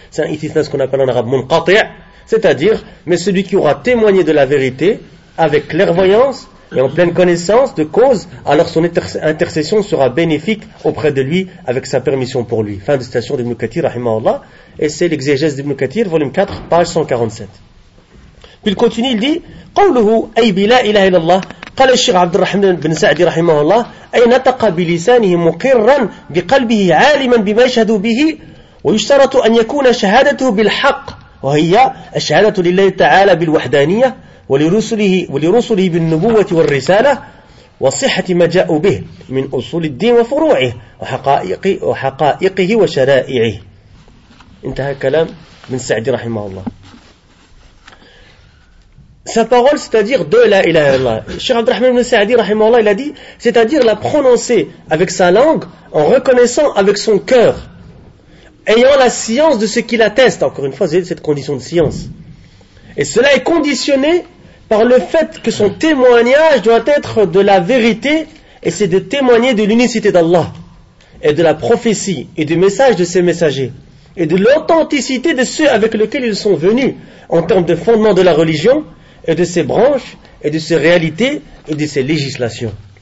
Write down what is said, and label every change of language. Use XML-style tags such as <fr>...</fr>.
<fr>C'est un istithna, ce qu'on appelle en arabe munqati', c'est-à-dire, mais celui qui aura témoigné de la vérité, avec clairvoyance, et en pleine connaissance de cause, alors son intercession sera bénéfique auprès de lui avec sa permission pour lui. Fin de citation d'Ibn Kathir, rahimahullah. Et c'est l'exégèse d'Ibn Kathir, volume 4, page 147. Puis il continue, il dit</fr> <ar>قوله أي بلا إله إلا الله قال الشيخ عبد الرحمن بن سعد رحمه الله أي نطق بلسانه مقرا بقلبه عالما بما يشهد به ويشترط أن يكون شهادته بالحق وهي الشهادة لله تعالى بالوحدانية ولرسله بالنبوة والرسالة وصحة ما جاء به من أصول الدين وفروعه وحقائقه وشرائعه. انتهى كلام بن سعد رحمه الله.</ar> <fr>Sa parole, c'est-à-dire de la ilaha illallah. Cheikh Abdurrahman ibn Sa'di, rahimahullah, il a dit, c'est-à-dire la prononcer avec sa langue, en reconnaissant avec son cœur, ayant la science de ce qu'il atteste. Encore une fois, c'est cette condition de science. Et cela est conditionné par le fait que son témoignage doit être de la vérité, et c'est de témoigner de l'unicité d'Allah, et de la prophétie, et du message de ses messagers, et de l'authenticité de ceux avec lesquels ils sont venus, en termes de fondement de la religion, et de ses branches, et de ses réalités, et de ses législations.</fr>